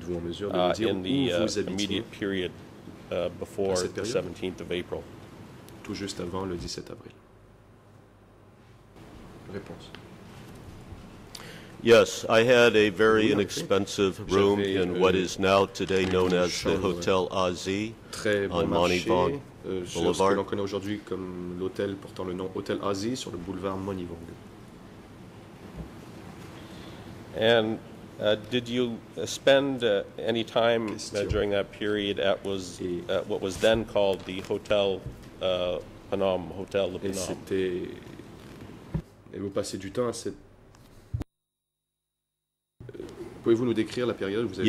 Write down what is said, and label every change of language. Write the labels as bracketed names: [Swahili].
[English] the immediate period before the 17th of April? [French] Tout juste avant le 17 avril. Réponse. [English] Yes, I had a very inexpensive room in what is now today known as the Hotel Azi on Monivong Boulevard. [French] Ce que l'on connaît aujourd'hui comme l'hôtel portant le nom Hotel Azi sur le boulevard Monivong. [English] And did you spend any time during that period at was what was then called the Hotel Phnom, Hotel Phnom? [French] Et c'était. Et vous passez du temps à cette Pouvez-vous nous décrire la période où vous avez